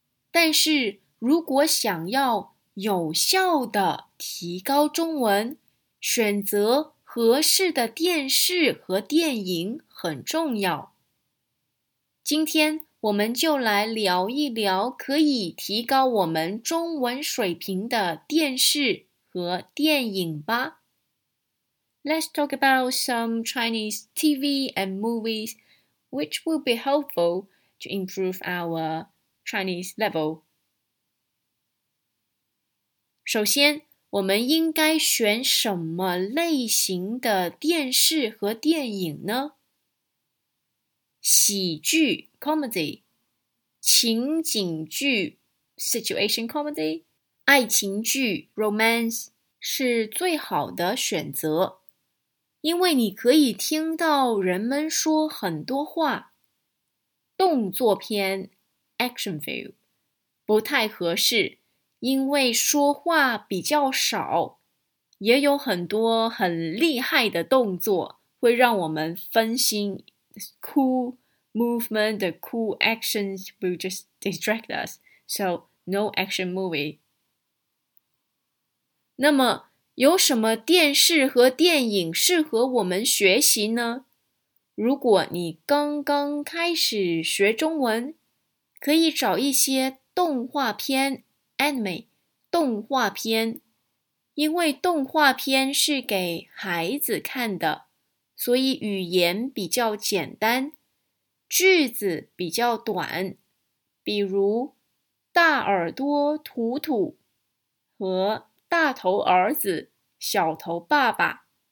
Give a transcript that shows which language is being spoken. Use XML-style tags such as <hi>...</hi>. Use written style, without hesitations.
<zh>但是如果想要有效地提高中文，选择合适的电视和电影很重要。今天我们就来聊一聊可以提高我们中文水平的电视和电影吧。</zh> <en>Let's talk about some Chinese TV and movies which will be helpful to improve our Chinese level.</en> <zh>首先，我们应该选什么类型的电视和电影呢？喜剧 comedy, 情景剧 situation comedy, 爱情剧 romance 是最好的选择，因为你可以听到人们说很多话。动作片 action film 不太合适，因为说话比较少，也有很多很厉害的动作会让我们分心。</zh> <en>Cool movement, the cool actions will just distract us. So, no action movie.</en> <zh>那么，有什么电视和电影适合我们学习呢？如果你刚刚开始学中文，可以找一些动画片Anime, 动画片，因为动画片是给孩子看的，所以语言比较简单，句子比较短，比如大耳朵图图和大头儿子小头爸爸。</zh>